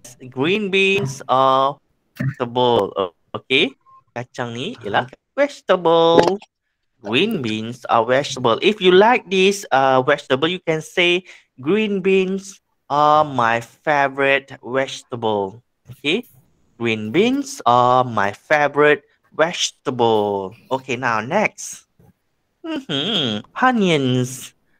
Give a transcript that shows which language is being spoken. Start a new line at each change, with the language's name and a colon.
English: Green beans or vegetable? Okay.
Malay: Kacang ni ialah vegetable.
English: Green beans are vegetable. If you like this vegetable, you can say green beans are my favorite vegetable. Okay, green beans are my favorite vegetable. Okay, now next. Onions.